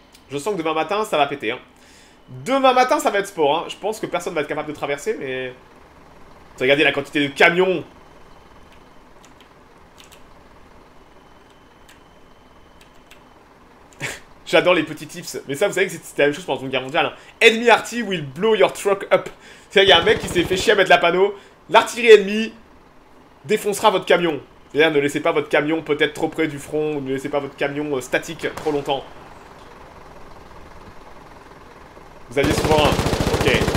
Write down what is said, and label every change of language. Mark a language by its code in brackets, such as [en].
[fr] Je sens que demain matin, ça va péter. Hein. Demain matin, ça va être sport. Hein. Je pense que personne va être capable de traverser, mais... Regardez la quantité de camions. J'adore les petits tips, mais ça vous savez que c'était la même chose pendant une guerre mondiale. Hein. [en] Enemy artillery will blow your truck up. [fr] C'est-à-dire, il y a un mec qui s'est fait chier à mettre la panneau. L'artillerie ennemie défoncera votre camion. C'est-à-dire, ne laissez pas votre camion peut-être trop près du front, ou ne laissez pas votre camion statique trop longtemps. Vous aviez souvent un. Ok.